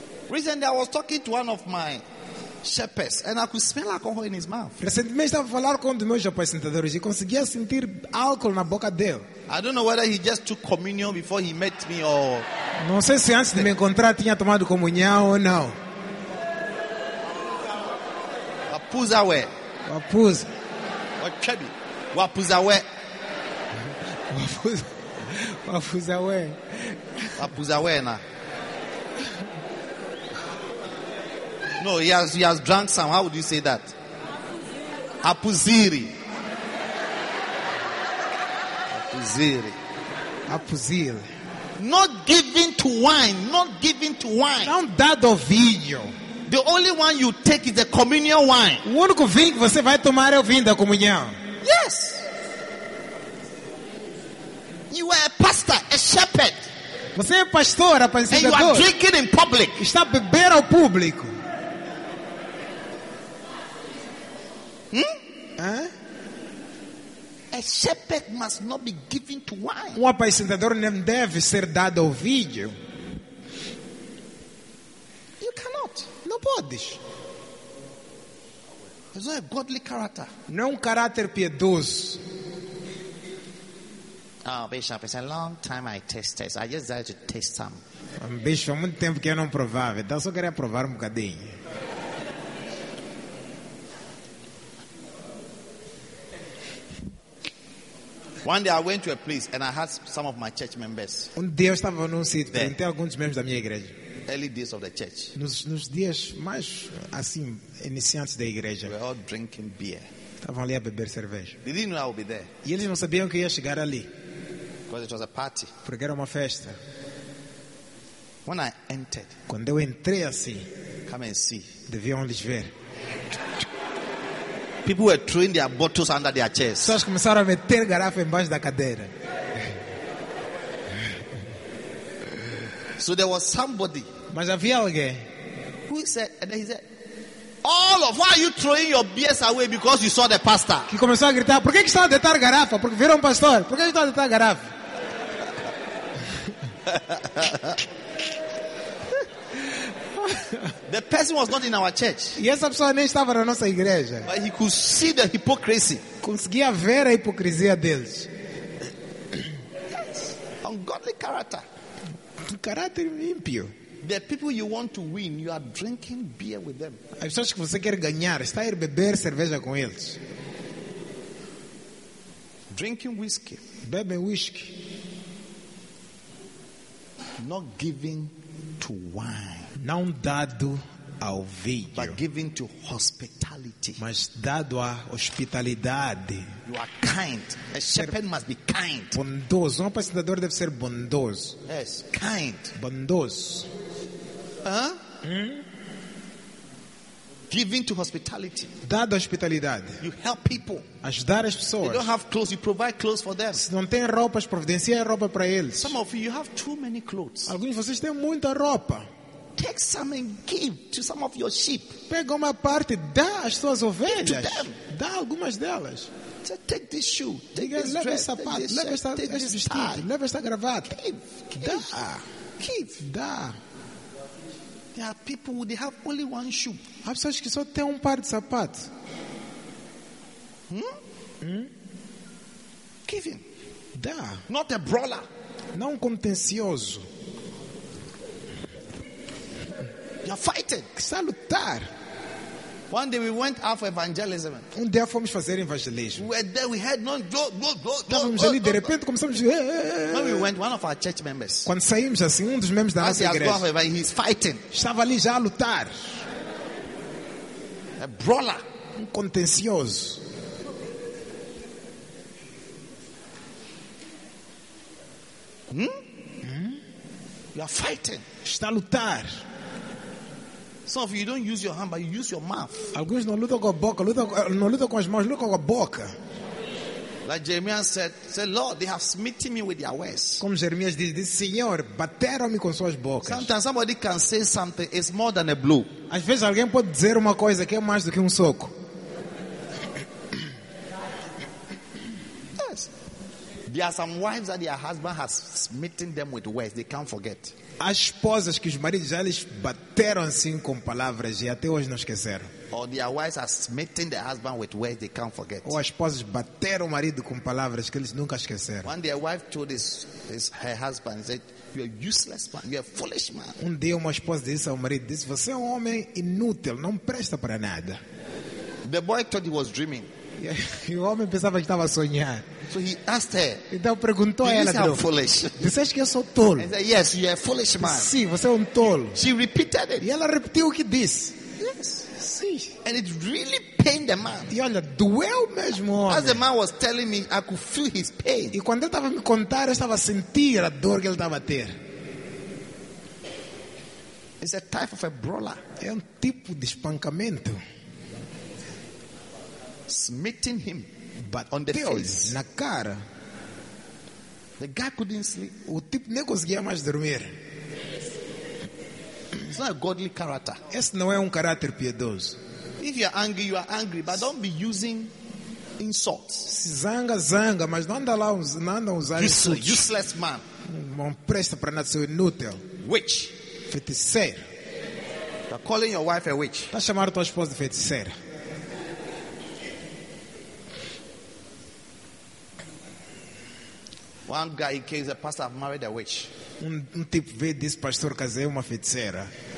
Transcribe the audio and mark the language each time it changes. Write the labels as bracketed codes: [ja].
[en] Recently, I was talking to one of my shepherds, and I could smell alcohol in his mouth. [pt] Recentemente estava a falar com um dos meus apacentadores e conseguia sentir álcool na boca dele. [en] I don't know whether he just took communion before he met me or. [pt] Não sei se antes de me encontrar tinha tomado comunhão ou não. Wapuza we. Wapuza. Wachebi. Wapuza we. Wapuza. Wapuza we. Wapuza we na. [en] No, he has drunk some. How would you say that? Apuziri. Apuziri. Apuziri. Not giving to wine. Not giving to wine. [pt] Não dado vinho. [en] The only one you take is the communion wine. [pt] O único vinho que você vai tomar é o vinho da comunhão. [en] Yes. You are a pastor, a shepherd. [pt] Você é pastor, apacentador. [en] And you are drinking in public. [pt] Está a beber ao público. [en] A shepherd must not be given to wine. [pt] Um apacentador não deve ser dado ao vinho. [en] You cannot. [pt] Não podes. [en] It's not a godly character. [pt] Não é um caráter piedoso. [en] Oh, Bishop, it's a long time I tested. So I just decided to taste some. [pt] Bishop, há muito tempo que eu não provava. Então só queria provar um bocadinho. [en] One day I went to a place and I had some of my church members. [pt] Um dia eu estava num sítio, perguntei a alguns membros da minha igreja. [en] Early days of the church. [pt] Nos dias mais assim iniciantes da igreja. [en] We were all drinking beer. [pt] Estavam ali a beber cerveja. [en] They didn't know I would be there. [pt] E eles não sabiam que ia chegar ali. [en] Because it was a party. [pt] Porque era uma festa. [en] When I entered. [pt] Quando eu entrei assim. [en] Come and see. [pt] Deviam lhes ver. [en] People were throwing their bottles under their chairs. [pt] Pessoas começaram a meter garrafa embaixo da cadeira. [en] So there was somebody. [pt] Mas havia alguém. [en] Who said? And then he said, "All of why are you throwing your beers away because you saw the pastor?" [pt] Que começou a gritar. Por que está a deitar garrafa? Porque viram um pastor. Por que está a deitar garrafa? [en] The person was not in our church. [pt] E essa pessoa nem estava na nossa igreja. [en] But he could see the hypocrisy. [pt] Conseguia ver a hipocrisia deles. [en] Yes. Ungodly character. [pt] Um caráter ímpio. [en] The people you want to win, you are drinking beer with them. [pt] As pessoas que você quer ganhar, está a beber cerveja com eles. [en] Drinking whiskey. [pt] Bebe whisky. [en] Not giving to wine. [pt] Não dado ao vinho, [en] but giving to hospitality. [pt] Mas dado à hospitalidade. [en] You are kind. A shepherd must be kind. [pt] Bondoso. Um apacentador deve ser bondoso. [en] Yes, kind. [pt] Bondoso. Huh? [en] Giving to hospitality. [pt] Dar hospitalidade. [en] You help people. [pt] Ajudar as pessoas. [en] They don't have clothes, you provide clothes for them. [pt] Se não tem roupas, providencia roupa para eles. [en] Some of you have too many clothes. [pt] Alguns de vocês têm muita roupa. [en] Take some and give to some of your sheep. [pt] Pega uma parte, dá às suas ovelhas. [en] Give to them. [pt] Dá algumas delas. [en] So take this shoe. Take this dress. [pt] Leva esse sapato. Leva esta vestido. Leva esta gravata. [en] Give. Give. [pt] Dá. [en] There are people who they have only one shoe. [pt] Há pessoas que só têm par de sapatos. [en] Give him. [pt] Dá. [en] Not a brawler. [pt] Não contencioso. [en] You're fighting. [pt] Está a lutar. [en] One day we went out for evangelism. [pt] Um dia fomos fazer evangelismo. [en] We were there, we had no go. [pt] Estávamos ali, de repente começamos a [en] When we went, one of our church members. [pt] Quando saímos assim, um dos membros da nossa igreja. [en] He was he's fighting. [pt] Estava ali já a lutar. [en] A brawler. [pt] Um contencioso. [en] You are fighting. [pt] Está a lutar. [en] Some of you don't use your hand, but you use your mouth. [pt] Alguns não lutam com a boca, não lutam com as mãos, lutam com a boca. [en] Like Jeremiah said, Lord, they have smitten me with their words. [pt] Como Jeremias diz, Senhor, bateram-me com suas bocas. [en] Sometimes somebody can say something, it's more than a blow. [pt] Às vezes alguém pode dizer uma coisa que é mais do que soco. [en] Yes. There are some wives that their husband has smitten them with words, they can't forget. [pt] As esposas que os maridos já lhes bateram assim com palavras e até hoje não esqueceram. [en] Or their wives are smitting the husband with words they can't forget. [pt] Ou as esposas bateram o marido com palavras que eles nunca esqueceram. [en] When their wife told his her husband, said, "You are useless man, you are foolish man." [pt] Um dia uma esposa disse ao marido, disse, "Você é homem inútil, não presta para nada." [en] The boy thought he was dreaming. [pt] E o homem pensava que estava a sonhar. [en] So he asked her, [pt] então perguntou a ela, "Disseste que eu sou tolo?" [en] He said, "Yes, you are a foolish man." [pt] Sim, você é tolo. [en] She repeated it. [pt] E ela repetiu o que disse. [en] Yes. [pt] Sim. [en] And it really pained the man. [pt] E olha, doeu mesmo. [en] As the man was telling me, I could feel his pain. [pt] E quando ele estava me contar, eu estava a sentir a dor que ele estava a ter. [en] It's a type of a brawler. [pt] É tipo de espancamento. [en] Smitting him, but on the face, [pt] na cara. [en] The guy couldn't sleep. [pt] O tipo nem conseguia mais dormir. [en] It's not a godly character. [pt] Esse não é caráter piedoso. [en] If you are angry, you are angry, but don't be using insults. [pt] Se zanga, zanga, mas não anda lá, não anda usando insultos. [en] Useless man. [pt] Não presta para nada, seu inútil. [en] Witch. [pt] Feiticeira. [en] You're calling your wife a witch. [pt] Tá chamando tua esposa de feiticeira. [en] One guy came, the pastor married a witch. [pt] Um tipo veio e disse, pastor, casei uma feiticeira.